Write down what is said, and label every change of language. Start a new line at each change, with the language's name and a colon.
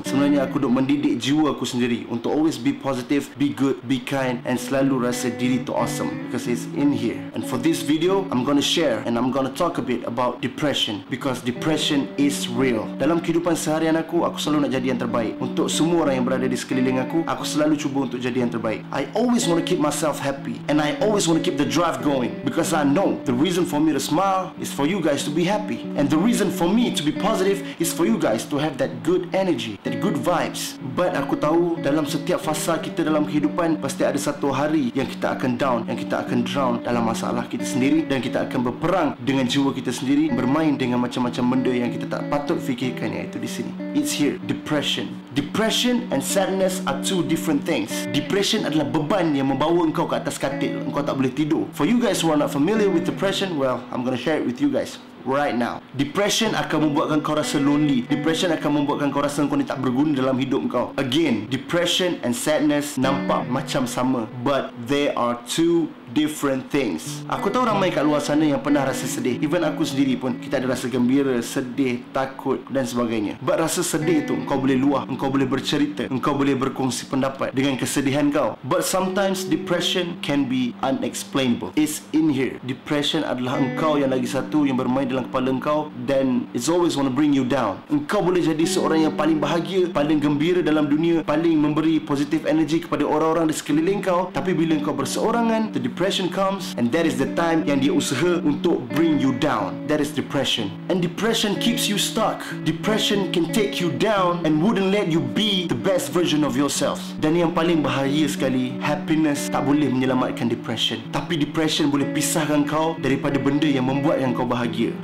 Malay: Sebenarnya aku duk mendidik jiwa aku sendiri untuk
English: always be positive, be good, be kind,
Malay: and selalu rasa diri tu awesome.
English: Because it's in here. And for this video, I'm gonna share and I'm gonna talk a bit about depression. Because depression is real.
Malay: Dalam kehidupan seharian aku, aku selalu nak jadi yang terbaik. Untuk semua orang yang berada di sekeliling aku, aku selalu cuba untuk jadi yang terbaik.
English: I always want to keep myself happy and I always want to keep the drive going because I know the reason for me to smile is for you guys to be happy and the reason for me to be positive is for you guys to have that good energy, that good vibes.
Malay: But aku tahu dalam setiap fasa kita dalam kehidupan pasti ada satu hari yang kita akan down, yang kita akan drown dalam masalah kita sendiri dan kita akan berperang dengan jiwa kita sendiri, bermain dengan macam-macam benda yang kita tak patut fikirkan iaitu di sini.
English: It's here, depression. Depression and sadness are two different things.
Malay: Depression adalah beban yang membawa engkau ke atas katil. Engkau tak boleh tidur.
English: For you guys who are not familiar with depression, well, I'm gonna share it with you guys right now.
Malay: Depression akan membuatkan kau rasa lonely. Depression akan membuatkan kau rasa kau ni tak berguna dalam hidup kau.
English: Again, depression and sadness
Malay: nampak macam sama,
English: but they are two different things.
Malay: Aku tahu ramai kat luar sana yang pernah rasa sedih. Even aku sendiri pun, kita ada rasa gembira, sedih, takut dan sebagainya. But rasa sedih tu, kau boleh luah, kau boleh bercerita, kau boleh berkongsi pendapat dengan kesedihan kau.
English: But sometimes depression can be unexplainable. It's in here.
Malay: Depression adalah engkau yang lagi satu yang bermain dalam kepala engkau,
English: then it's always want to bring you down.
Malay: Engkau boleh jadi seorang yang paling bahagia, paling gembira dalam dunia, paling memberi positive energy kepada orang-orang di sekeliling kau, tapi bila engkau berseorangan,
English: the depression comes and that is the time
Malay: yang dia usaha untuk
English: bring you down. That is depression. And depression keeps you stuck. Depression can take you down and wouldn't let you be the best version of yourself.
Malay: Dan yang paling bahaya sekali, happiness tak boleh menyelamatkan depression. Tapi depression boleh pisahkan kau daripada benda yang membuat yang kau bahagia.